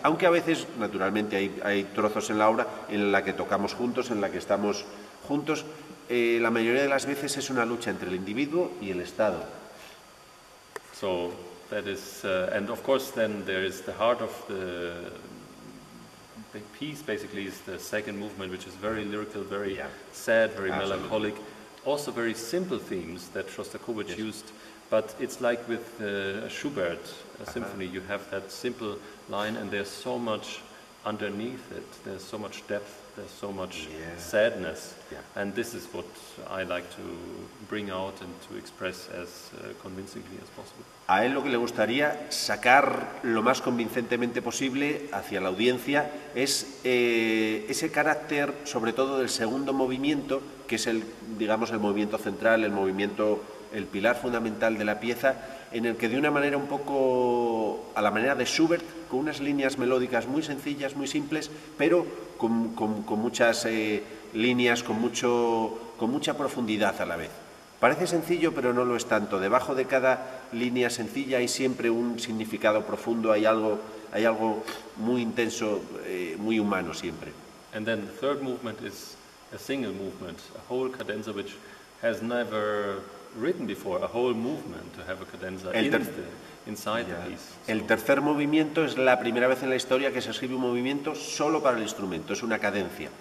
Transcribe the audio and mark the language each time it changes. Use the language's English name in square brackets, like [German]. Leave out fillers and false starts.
[Spanish] Aunque a veces, naturalmente, hay trozos en la obra en la que tocamos juntos, en la que estamos juntos, la mayoría de las veces es una lucha entre el individuo y el Estado. [English] So, that is, and of course, then there is the heart of the piece, basically, is the second movement, which is very lyrical, very sad, very melancholic. Also very simple themes that Shostakovich used, but it's like with Schubert, a symphony, you have that simple line, and there's so much underneath it, there's so much depth, there's so much sadness, and this is what I like to bring out and to express as convincingly as possible. [Spanish] A él lo que le gustaría sacar lo más convincentemente posible hacia la audiencia es ese carácter, sobre todo del segundo movimiento, que es el, digamos, el movimiento central, el movimiento, el pilar fundamental de la pieza, en el que de una manera un poco a la manera de Schubert, con unas líneas melódicas muy sencillas, muy simples, pero con muchas líneas, con mucha profundidad a la vez. Parece sencillo, pero no lo es tanto. Debajo de cada línea sencilla hay siempre un significado profundo, hay algo muy intenso, muy humano siempre. [English] And then the third movement is a single movement, a whole cadenza which has never written before, a whole movement to have a cadenza inside the piece. [Spanish] El tercer movimiento es la primera vez en la historia que se escribe un movimiento solo para el instrumento, es una cadencia.